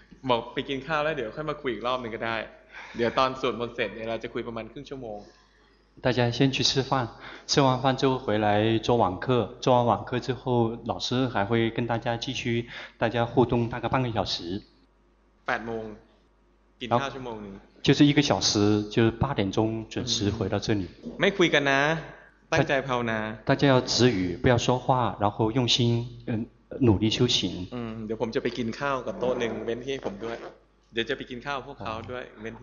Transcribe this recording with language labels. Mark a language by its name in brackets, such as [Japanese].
[Thai] บอกไปกินข้าวแล้วเดี๋ยวค่อยมาคุยอีกรอบนึงก็ได้เดี๋ยวตอนสวดมนต์เสร็จเนี่ยเราจะคุยประมาณครึ่งชั่วโมง [Chinese] 大家先去吃饭吃完饭之后回来做网课做完网课之后老师还会跟大家继续大家互动大概半个小时 [Thai] 8โมงกินข้าวชั่วโมงนึง [Chinese] 就是一个小时就是8点钟准时回到这里 [Thai] ไม่คุยกันนะตั้งใจภาวนา [Chinese] 大家要止语不要说话然后用心努力修行 [Thai] เดี๋ยวผมจะไปกินข้าวกับโต๊ะหนึ่งเว้นให้ผมด้วยเดี๋ยวจะไปกินข้าวพวกเขาด้วยเว้น